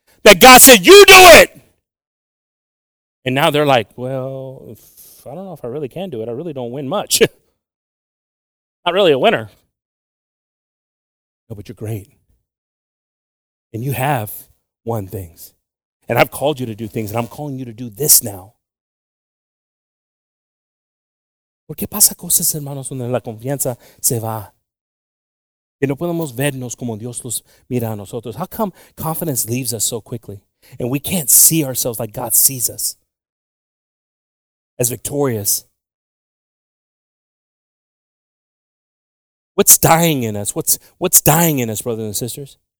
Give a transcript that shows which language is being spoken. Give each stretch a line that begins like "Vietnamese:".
English: That God said, you do it. And now they're like, well, I don't know if I really can do it. I really don't win much. Not really a winner. No, but you're great. And you have won things. And I've called you to do things, and I'm calling you to do this now.
Spanish: ¿Por qué pasa cosas, hermanos, donde la confianza se va? Que no podemos vernos como Dios los mira a nosotros.
English: How come confidence leaves us so quickly? And we can't see ourselves like God sees us. as victorious. What's dying in us? What's dying in us, brothers and sisters?